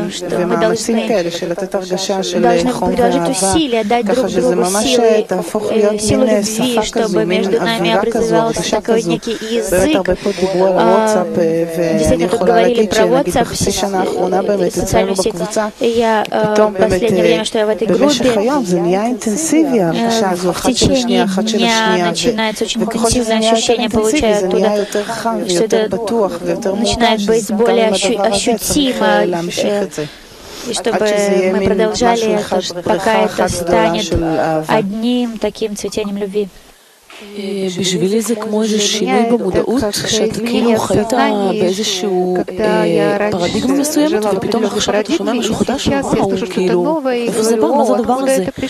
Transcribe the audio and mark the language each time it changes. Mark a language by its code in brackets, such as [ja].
[he] ומאמצים כאלה של לתת הרגשה של חום ואהבה ככה שזה ממש תהפוך להיות מין שפה כזו, מין אווירה כזו, הרגשה כזו באמת הרבה פה דיברו על וואטסאפ ואני יכולה להגיד שנגיד בחצי שנה האחרונה באמת אצלנו בקבוצה פתאום באמת במשך היום זה נהיה אינטנסיבי הרגשה הזו אחת של השנייה, אחת של השנייה וככל שזה נהיה יותר אינטנסיבי זה נהיה יותר חם ויותר בטוח ויותר מורגש שזה גם הדבר הזה [ru] ощутимо, и чтобы мы продолжали это, пока это станет одним таким цветением любви. [he] בשבילי זה כמו איזה שינוי במודעות, שאת כאילו חיית באיזשהו פרדיגמה מסוימת, ופתאום עכשיו אתה שומע משהו חדש, וואו, כאילו, איפה זה בא, מה זה הדבר הזה?